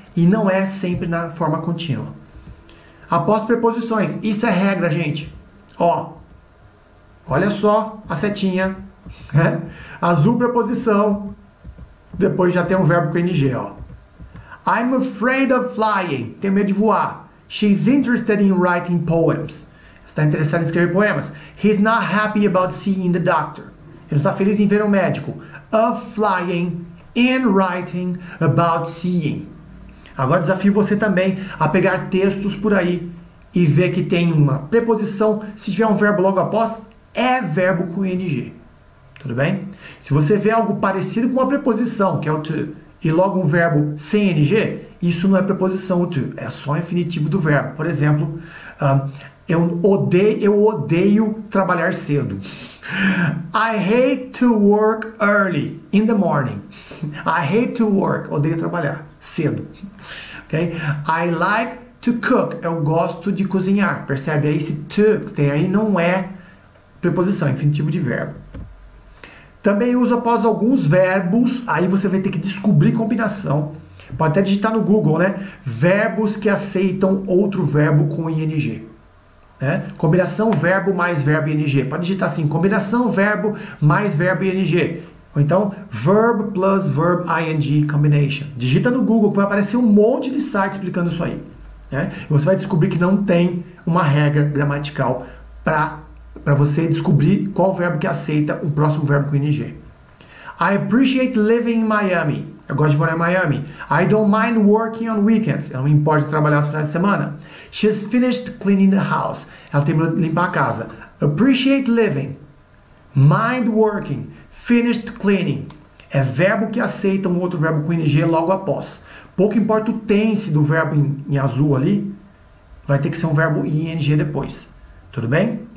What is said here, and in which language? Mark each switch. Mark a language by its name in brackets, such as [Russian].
[Portuguese] E não é sempre na forma contínua. Após preposições. Isso é regra, gente. Ó. Olha só a setinha. Né? Azul preposição. Depois já tem um verbo com ing. Ó. [English] I'm afraid of flying. [Portuguese] Tenho medo de voar. [English] She's interested in writing poems. [Portuguese] Está interessado em escrever poemas. [English] He's not happy about seeing the doctor. [Portuguese] Ele está feliz em ver um médico. [English] Of flying and writing about seeing. [Portuguese] Agora desafio você também a pegar textos por aí e ver que tem uma preposição. Se tiver um verbo logo após, é verbo com ing. Tudo bem? Se você vê algo parecido com uma preposição, que é o to, e logo um verbo sem ing, isso não é preposição, o to. É só infinitivo do verbo. Por exemplo, eu odeio trabalhar cedo. [English] I hate to work early in the morning. I hate to work. [Portuguese] Odeio trabalhar cedo. [English] Okay? I like to cook. [Portuguese] Eu gosto de cozinhar. Percebe aí esse to que tem aí? Não é preposição, infinitivo de verbo. Também uso após alguns verbos, aí você vai ter que descobrir combinação. Pode até digitar no Google, né? Verbos que aceitam outro verbo com ing. Né? Combinação verbo mais verbo ing. Pode digitar assim, combinação verbo mais verbo ing. Ou então, [English] verb plus verb ing combination. [Portuguese] Digita no Google que vai aparecer um monte de sites explicando isso aí. Né? E você vai descobrir que não tem uma regra gramatical para você descobrir qual verbo que aceita o próximo verbo com ing. [English] I appreciate living in Miami. [Portuguese] Eu gosto de morar em Miami. [English] I don't mind working on weekends. [Portuguese] Eu não me importo de trabalhar aos finais de semana. [English] She's finished cleaning the house. [Portuguese] Ela terminou de limpar a casa. [English] Appreciate living. Mind working. [Portuguese] Finished cleaning. É verbo que aceita um outro verbo com ing logo após. Pouco importa o tense do verbo em azul ali. Vai ter que ser um verbo ing depois. Tudo bem?